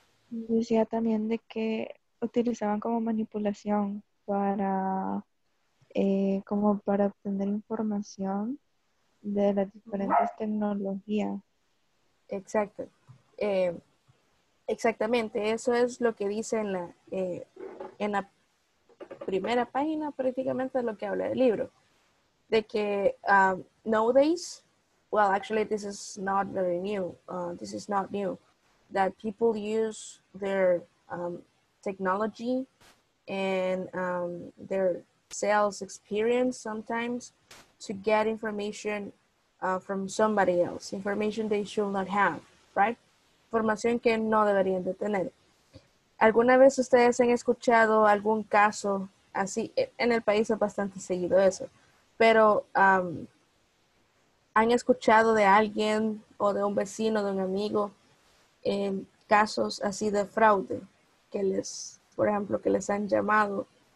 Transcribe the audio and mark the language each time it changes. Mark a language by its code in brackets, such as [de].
[es] Decía también de que utilizaban como manipulación para como para obtener información de las diferentes tecnologías. Exacto. Exactamente, eso es lo que dice en la primera página, prácticamente lo que habla del libro. De que [en] nowadays, well, actually, this is not very new. This is not new. That people use their technology and their sales experience sometimes to get information from somebody else. Information they should not have, right? [es] Información que no deberían de tener. ¿Alguna vez ustedes han escuchado algún caso así? En el país es bastante seguido eso. Pero... ¿han escuchado de alguien o de un vecino, de un amigo, en casos así de fraude que les, por ejemplo, que les han llamado?